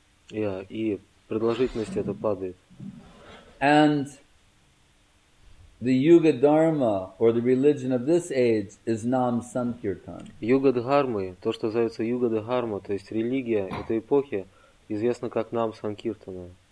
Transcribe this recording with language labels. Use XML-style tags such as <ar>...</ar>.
<ru>Yeah, и продолжительность это падает.</ru> <en>And the Yuga Dharma, or the religion of this age, is Nam Sankirtan.</en> <ru>Yuga Dharma, то, что называется Yuga Dharma, то есть религия этой эпохи, известна как Нам Санкиртана.</ru>